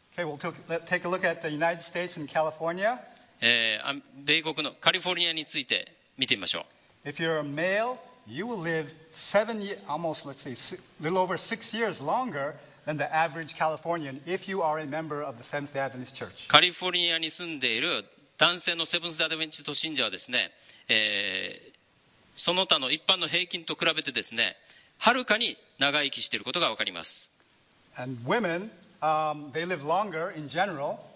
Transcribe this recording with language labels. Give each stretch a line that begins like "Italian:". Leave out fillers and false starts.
English: Okay, we'll take a look at the United States and California.
Japanese: 米国のカリフォルニアについて見てみましょう。
English: If you're a male, you will live seven almost, let's say, little over six years longer than the average Californian if you are a member of the Seventh-day Adventist Church.
Japanese: カリフォルニアに住んでいる男性のセブンス・アドベンチスト信者はですね、その他の一般の平均と比べてですね、はるかに長生きしていることがわかります。
English: And women, they live longer in general.